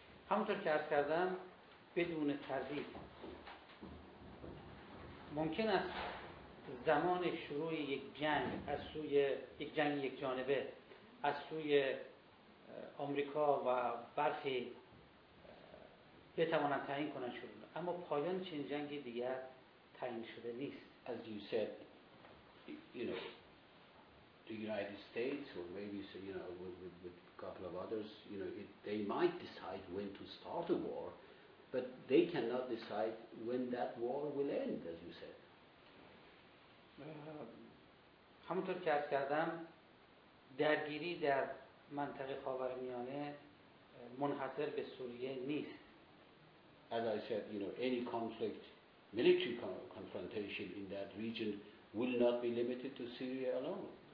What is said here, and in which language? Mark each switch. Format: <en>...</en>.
<fa>همونطور که عرض کردم بدون تردید ممکن است زمان شروع یک جنگ یک جانبه از سوی آمریکا و برخی بتوانند تعیین کنند شروع، اما پایان چنین جنگی دیگر تعیین شده نیست.</fa> <en>As you said, you know, the United States or maybe so, you know, with a couple of others, you know, they might decide when to start a war, but they cannot decide when that war will end, as you said.</en> <fa>همونطور که عرض کردم درگیری در منطقه خاورمیانه منحصر به سوریه نیست.</fa> <en>As I said, you know, any conflict, military confrontation in that region will not be limited to Syria alone.</en>